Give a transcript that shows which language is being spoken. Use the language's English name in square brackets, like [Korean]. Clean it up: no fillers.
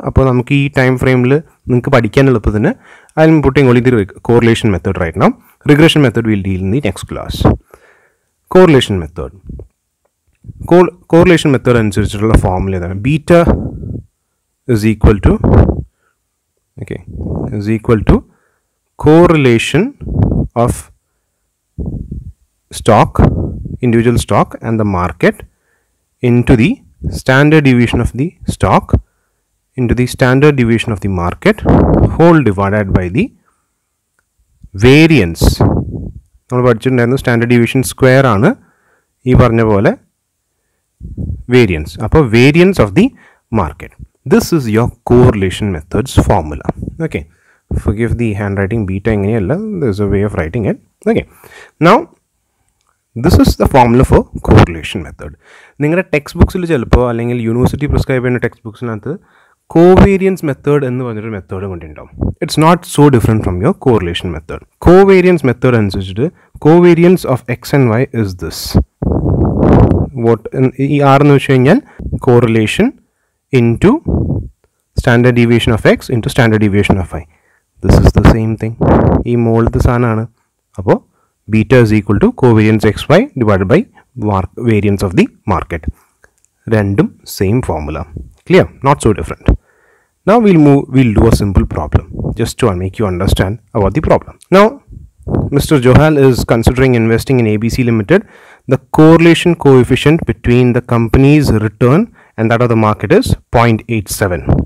[Malayalam] അപ്പോൾ നമുക്ക് ഈ ടൈം ഫ്രെയിമിൽ നിങ്ങൾക്ക് പഠിക്കാൻ എളുപ്പത്തിന് അതിന് [English] Putting only the correlation method right now. Regression method will deal in the next class. [Malayalam] Correlation method, correlation method അനുസരിച്ചിട്ടുള്ള ഫോർമുല ഇതാണ്. [English] Beta is equal to, okay, is equal to correlation of stock, individual stock and the market into the standard deviation of the stock into the standard deviation of the market whole divided by the variance. [Malayalam] നമ്മൾ പഠിച്ചിട്ടുണ്ടായിരുന്നു standard deviation square ആണ് ഈ പറഞ്ഞ പോലെ variance. [English] അപ്പോൾ variance of the market. This is your correlation methods formula. Okay, forgive the handwriting, [Malayalam] beta എങ്ങനെയല്ല, [English] This a way of writing it. Okay, now this is the formula for correlation method. [Malayalam] നിങ്ങളുടെ text ബുക്സിൽ ചിലപ്പോൾ അല്ലെങ്കിൽ university prescribe ചെയ്യുന്ന text ബുക്സിനകത്ത് covariance method എന്ന് പറഞ്ഞൊരു method കൊണ്ടുണ്ടാവും. [English] It's not so different from your correlation method. Covariance method അനുസരിച്ചിട്ട് covariance of X and Y is this. What ഈ R [Malayalam] എന്ന് വെച്ച് കഴിഞ്ഞാൽ [English] Correlation into standard deviation of X into standard deviation of Y. This is the same thing. [Malayalam] ഈ മുകളിലത്തെ സാധനമാണ്. [English] അപ്പോൾ beta is equal to covariance X Y divide by variance of the market. രണ്ടും same formula. Clear? Not so different. Now we'll do a simple problem just to make you understand about the problem. Now Mr. Johal is considering investing in ABC Limited. The correlation coefficient between the company's return and that of the market is 0.87.